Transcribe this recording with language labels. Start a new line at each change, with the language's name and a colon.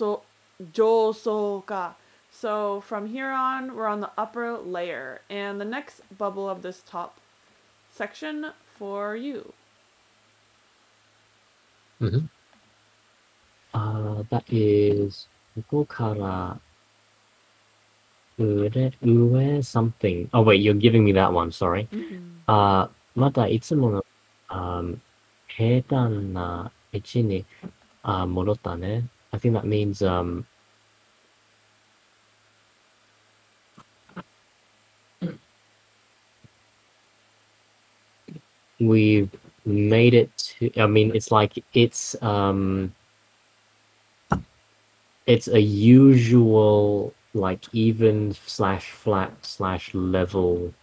Japanese: ここからそうそう上層か.
English: So from here on, we're on the upper layer, and the next bubble of this top section for you. That is
Japanese: ここから上
English: something. Oh wait, you're giving me that one, sorry.
Japanese: またいつもの平坦な位置に戻ったね。
English: I think that means we've made it to, I mean, it's like it's a usual, like, even slash flat slash level